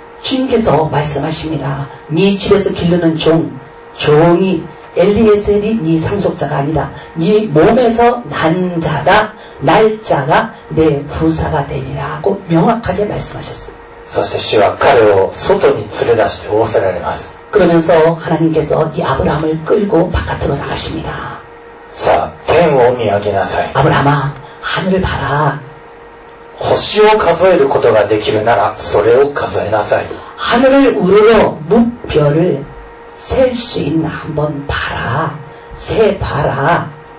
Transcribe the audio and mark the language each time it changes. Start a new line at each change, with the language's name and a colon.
Korean: 주님께서말씀하십니다。 네집에서길르는종종이엘리에셀이네상속자가아니다네몸에서난자가날자가내후사가되리라고명확하게말씀하셨습니다。
Japanese: そして主は彼を外に連れ出して仰せられます。
Korean: 그러면서하나님께서이아브라함을끌고바깥으로나가십니다。
Japanese: さあ天を見上げなさい。
Korean: 아브라함아하늘을봐라。
Japanese: 星を数えることができるならそれを数えなさい。
Korean: 하늘을우르며묵별을셀수있나한번봐라세봐라。